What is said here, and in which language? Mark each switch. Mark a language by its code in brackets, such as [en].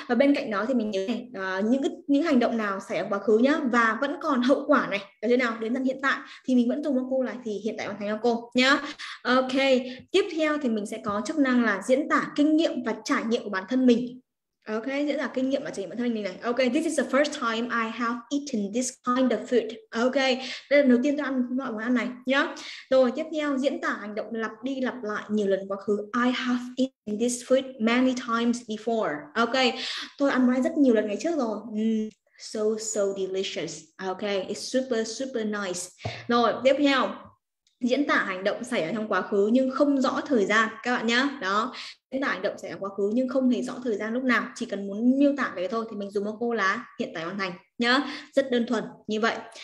[vi] Và bên cạnh đó thì mình nhớ này, những hành động nào xảy ra quá khứ nhá và vẫn còn hậu quả này ở thế nào đến tận hiện tại thì mình vẫn dùng cái câu là thì hiện tại hoàn thành cho cô nhá. Ok, tiếp theo thì mình sẽ có chức năng là diễn tả kinh nghiệm và trải nghiệm của bản thân mình. Ok, diễn tả kinh nghiệm và trải nghiệm bản thân mình này. [en] Ok, this is the first time I have eaten this kind of food. [vi] Ok, đây là đầu tiên tôi ăn loại món ăn này nhá. Rồi, tiếp theo diễn tả hành động lặp đi lặp lại nhiều lần quá khứ. [en] I have eaten this food many times before. [vi] Ok, tôi ăn món này rất nhiều lần ngày trước rồi. [en] So, so delicious. [vi] Ok, [en] it's super, super nice. [vi] Rồi, tiếp theo diễn tả hành động xảy ở trong quá khứ nhưng không rõ thời gian các bạn nhá. Đó, diễn tả hành động xảy ở quá khứ nhưng không hề rõ thời gian lúc nào, chỉ cần muốn miêu tả về thôi thì mình dùng một câu là hiện tại hoàn thành nhá, rất đơn thuần như vậy.